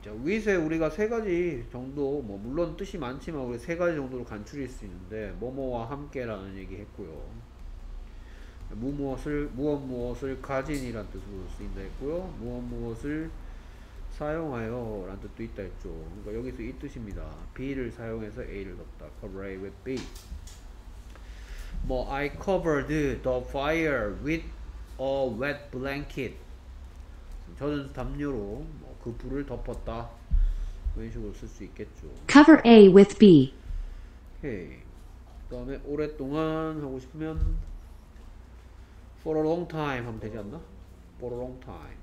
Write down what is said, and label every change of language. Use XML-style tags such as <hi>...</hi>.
<ko>자, with에 우리가 세 가지 정도, 뭐 물론 뜻이 많지만 우리 세 가지 정도로 간추릴 수 있는데 뭐뭐와 함께라는 얘기 했고요. 무엇무엇을 가진이란 뜻으로 쓰인다 했고요. 무엇무엇을 사용하여 라는 뜻도 있다 했죠. 그러니까 여기서 이 뜻입니다. B를 사용해서 A를 넣었다.</ko> <en>Cover A with B. 뭐 I covered the fire with a wet blanket.</en> <ko>저는 담요로 뭐 그 불을 덮었다. 이런 식으로 쓸 수 있겠죠.</ko> <en>Cover A with B.</en> <ko>오케이. 그 다음에 오랫동안 하고 싶으면</ko> <en>For a long time</en> <ko>하면 되지 않나?</ko> <en>For a long time.</en>